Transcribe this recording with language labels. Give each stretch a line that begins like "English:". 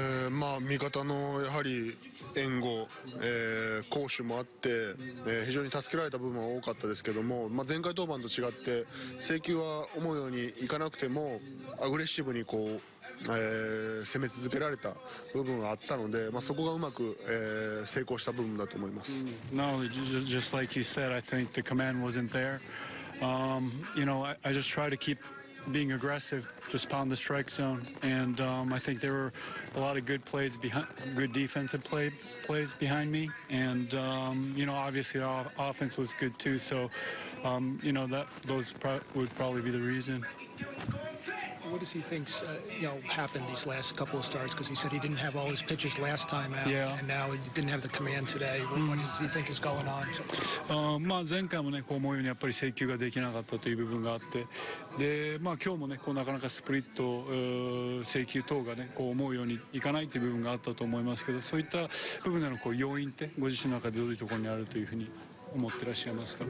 Japanese: まあ味方のやはり援護、攻守もあって、非常に助けられた部分は多かったですけども、まあ、前回登板と違って制球は思うようにいかなくてもアグレッシブにこう、攻め続けられた部分はあったので、まあ、そこがうまく、成功した部分だと思います。
English: No, just like you said, I think the command wasn't there. You know, I just try to keep being aggressive, just pound the strike zone. And I think there were a lot of good plays behind, good defensive plays behind me. And, you know, obviously the offense was good too. So, you know, those would probably be the reason. What does he think, you know, happened these last couple of starts? Because he said he didn't have all his pitches last time out, yeah. And now he didn't have the command today. What does he think is going on?
Japanese: まあ前回もね、こう思うようにやっぱり制球ができなかったという部分があって、で、まあ今日もね、こうなかなかスプリット、制球等がね、こう思うようにいかないという部分があったと思いますけど、そういった部分でのこう要因ってご自身の中でどういうところにあるというふうに思ってらっしゃいますか？